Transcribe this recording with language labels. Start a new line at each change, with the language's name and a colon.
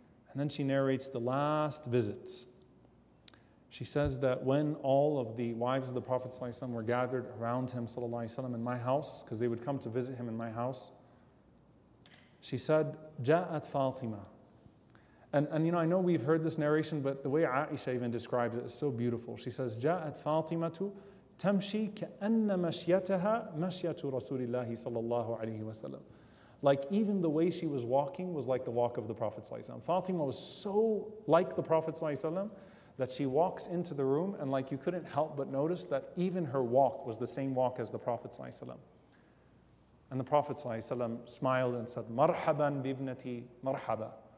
English: And then she narrates the last visits. She says that when all of the wives of the Prophet ﷺ were gathered around him ﷺ in my house, because they would come to visit him in my house, she said,
Arabic: جاءت فاطمة.
English: And you know, I know we've heard this narration, but the way Aisha even describes it is so beautiful. She says,
Arabic: جاءت فاطمة تمشي كأن مشيتها مشية رسول الله صلى الله عليه وسلم.
English: Like even the way she was walking was like the walk of the Prophet ﷺ. Fatima was so like the Prophet ﷺ that she walks into the room and like you couldn't help but notice that even her walk was the same walk as the Prophet ﷺ. And the Prophet ﷺ smiled and said,
Arabic: Marhaban bibnati marhaba.